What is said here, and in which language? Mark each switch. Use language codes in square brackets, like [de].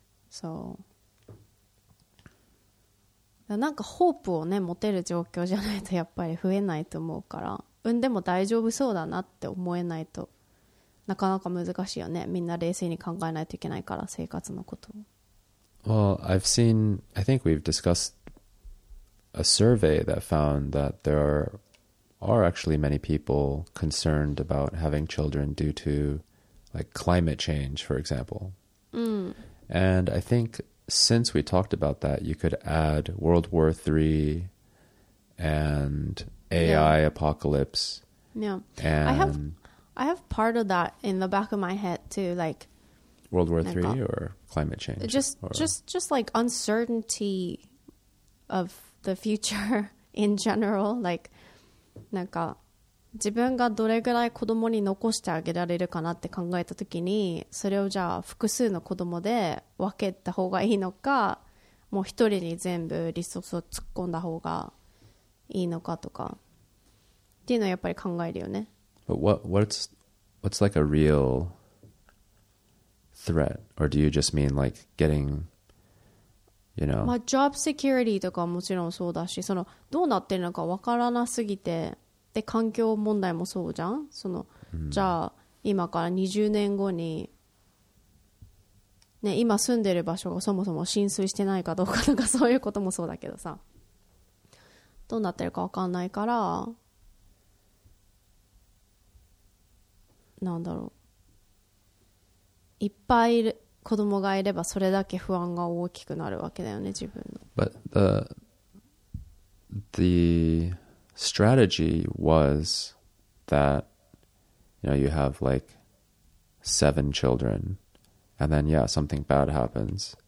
[ja] そう、なんかホープをね持てる状況じゃないとやっぱり増えないと思うから、産んでも大丈夫そうだなって思えないとなかなか難しいよね。みんな冷静に考えないといけないから、生活のことを。 [en] Well, I've seen, I think we've discussed a survey that found that there are actually many people concerned about having children due to like climate change, for example. And I think since we talked about that, you could add World War III and AI apocalypse. Yeah. And I have part of that in the back of my head too, like... World War III or climate change? Just like uncertainty of the future in general. [ja] Like, なんか自分がどれぐらい子供に残してあげられるかなって考えたときに、それをじゃあ複数の子供で分けた方がいいのか、もう一人に全部リソースを突っ込んだ方がいいのかとかっていうのはやっぱり考えるよね。 [en] But what's like a real threat? Or do you just mean like getting, you know? [ja] まあ、job security とかもちろんそうだし、そのどうなってるのかわからなすぎて、で環境問題もそうじゃん。その、mm. じゃあ今から20年後に。ね、今住んでる場所がそもそも浸水してないかどうかとかそういうこともそうだけどさ、どうなってるか分かんないから、なんだろう、いっぱいいる子供がいればそれだけ不安が大きくなるわけだよね、自分の。 [en] But the strategy was that, you know, you have like 7 childrenAnd then, yeah, something bad happens.